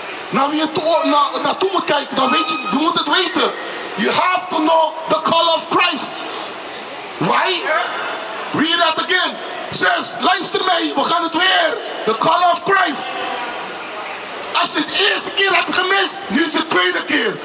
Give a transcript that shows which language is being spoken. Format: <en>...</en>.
<nl>Naar wie je naartoe moet kijken, dan weet je, je moet het weten.</nl> <en>You have to know the color of Christ. Why? Read that again.</en> <nl>Zes, luister mee, we gaan het weer.</nl> <en>The color of Christ.</en> <nl>Als je het eerste keer hebt gemist, nu is het tweede keer.</nl>